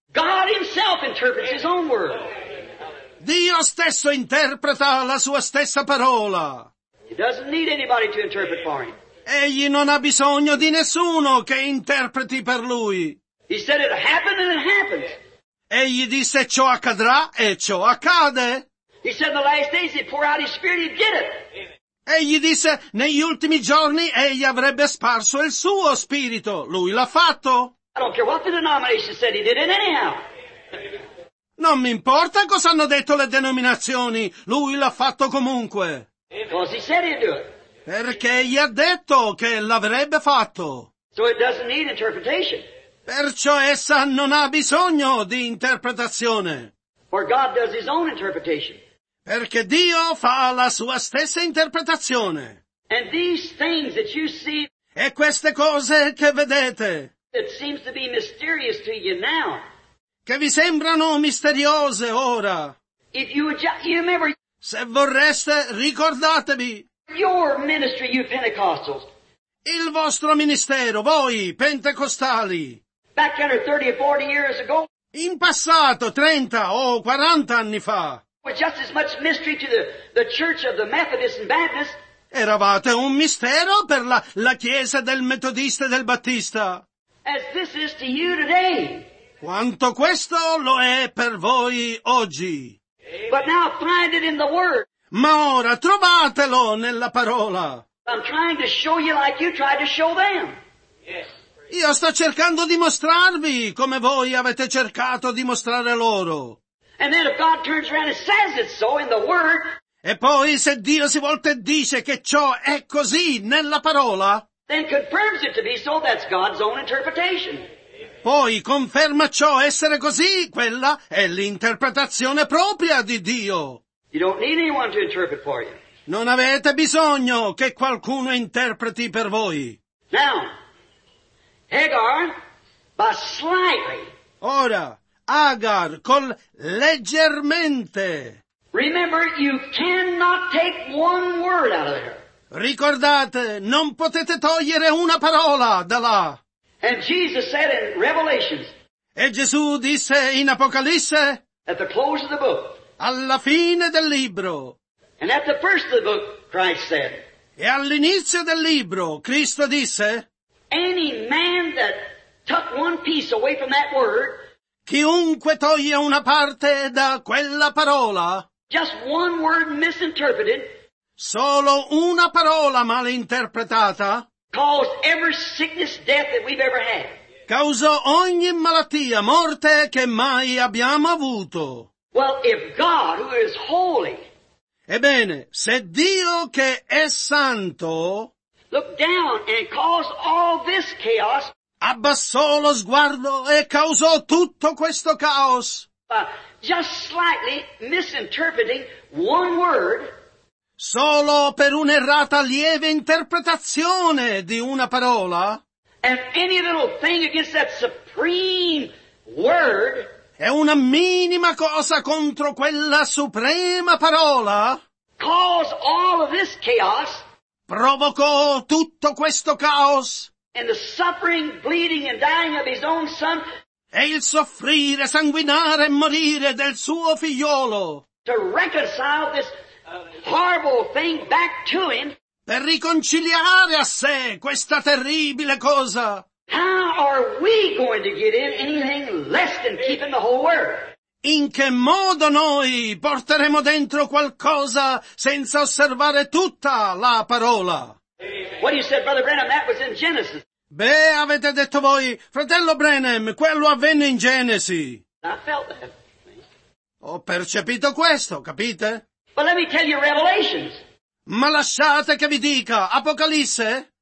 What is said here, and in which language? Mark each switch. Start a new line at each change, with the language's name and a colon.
English: God himself interprets his own word.
Italian: Dio stesso interpreta la sua stessa parola.
English: He doesn't need anybody to interpret for him.
Italian: Egli non ha bisogno di nessuno che interpreti per lui.
English: He said it happened and it happened.
Italian: Egli disse ciò accadrà e ciò accade.
English: He said in the last days he'd pour out his spirit, he'd get it.
Italian: Egli disse, negli ultimi giorni egli avrebbe sparso il suo spirito. Lui l'ha fatto.
English: I don't care what the denomination said, he did it anyhow.
Italian: Non mi importa cosa hanno detto le denominazioni, lui l'ha fatto comunque.
English: Because he said he'd do it.
Italian: Perché gli ha detto che l'avrebbe fatto.
English: So it doesn't need interpretation.
Italian: Perciò essa non ha bisogno di interpretazione.
English: For God does his own interpretation.
Italian: Perché Dio fa la sua stessa interpretazione.
English: And these things that you see,
Italian: e queste cose che vedete,
English: that seems to be mysterious to you now,
Italian: che vi sembrano misteriose ora,
English: if you would just, you remember,
Italian: se vorreste, ricordatevi,
English: your ministry, you Pentecostals,
Italian: il vostro ministero, voi pentecostali,
English: back 30 or 40 years ago,
Italian: in passato, 30 o 40 anni fa,
English: was just as much mystery to the church of the Methodists and Baptists.
Italian: Eravate un mistero per la chiesa del metodista e del battista.
English: As this is to you today.
Italian: Quanto questo lo è per voi oggi.
English: But now find it in the word.
Italian: Ma ora trovatelo nella parola.
English: I'm trying to show you like you tried to show them.
Italian: Io sto cercando di mostrarvi come voi avete cercato di mostrare loro.
English: And then if God turns around and says it so in the Word,
Italian: e poi se Dio si volta e dice che ciò è così nella parola,
English: then confirms it to be so, that's God's own interpretation.
Italian: Poi conferma ciò essere così, quella è l'interpretazione propria di Dio.
English: You don't need anyone to interpret for you.
Italian: Non avete bisogno che qualcuno interpreti per voi.
English: Now, Hagar, but slightly.
Italian: Ora, Agar, col leggermente.
English: Remember, you cannot take one word out of there.
Italian: Ricordate, non potete togliere una parola da là.
English: And Jesus said in Revelations,
Italian: e Gesù disse in Apocalisse,
English: at the close of the book,
Italian: alla fine del libro,
English: And at the first of the book, Christ said.
Italian: E all'inizio del libro, Cristo disse.
English: Any man that took one piece away from that word.
Italian: Chiunque toglie una parte da quella parola.
English: Just one word misinterpreted.
Italian: Solo una parola malinterpretata.
English: Caused every sickness, death that we've ever had.
Italian: Causò ogni malattia, morte che mai abbiamo avuto.
English: Well, if God, who is holy,
Italian: ebbene, se Dio che è santo,
English: look down and caused all this chaos,
Italian: abbassò lo sguardo e causò tutto questo caos,
English: just slightly misinterpreting one word,
Italian: solo per un'errata lieve interpretazione di una parola,
English: and any little thing against that supreme word,
Italian: è una minima cosa contro quella suprema parola,
English: caused all of this chaos,
Italian: provocò tutto questo caos,
English: and the suffering, bleeding, and dying of his own son,
Italian: e il soffrire, sanguinare e morire del suo figliolo,
English: to reconcile this horrible thing back to him,
Italian: per riconciliare a sé questa terribile cosa.
English: How are we going to get in anything less than keeping the whole word?
Italian: In che modo noi porteremo dentro qualcosa senza osservare tutta la parola?
English: What you said, Brother Branham, that was in Genesis.
Italian: Beh, avete detto voi, fratello Branham, quello avvenne in Genesi.
English: I felt that.
Italian: Ho percepito questo, capite?
English: But let me tell you Revelations.
Italian: Ma lasciate che vi dica, Apocalisse?